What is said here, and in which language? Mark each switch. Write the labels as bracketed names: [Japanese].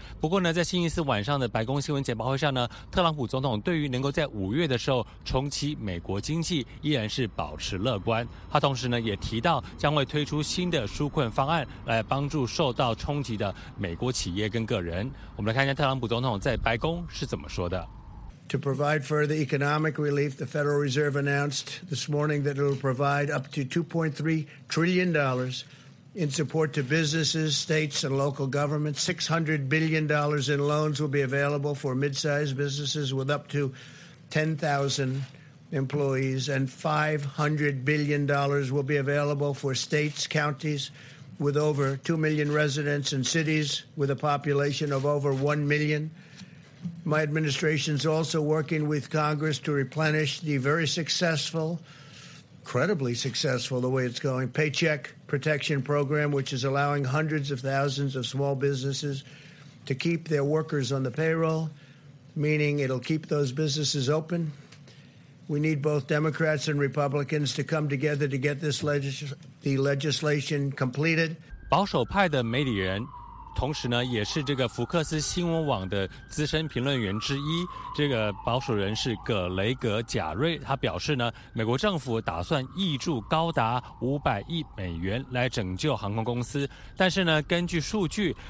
[Chinese] 不过呢，在星期四晚上的白宫新闻简报会上呢，特朗普总统对于能够在五月的时候重启美国经济依然是保持乐观。他同时呢也提到将会推出新的纾困方案来帮助受到冲击的美国企业跟个人。我们来看一下特朗普总统在白宫是怎么说。 [English] To provide further economic relief, the Federal Reserve announced this morning that it will provide up to $2.3 trillion in support to businesses, states, and local governments. $600 billion in loans will be available for mid-sized businesses with up to 10,000 employees, and $500 billion will be available for states, counties with over 2 million residents, and cities with a population of over 1 million. My administration is also working with Congress to replenish the very successful, incredibly successful, the way it's going, Paycheck Protection Program, which is allowing hundreds of thousands of small businesses to keep their workers on the payroll, meaning it'll keep those businesses open. We need both Democrats and Republicans to come together to get this legislation completed. [Chinese] 保守派的媒体人同时呢，也是这个福克斯新闻网的资深评论员之一，这个保守人士葛雷格·贾瑞，他表示呢，美国政府打算挹注高达500亿美元来拯救航空公司，但是呢，根据数据，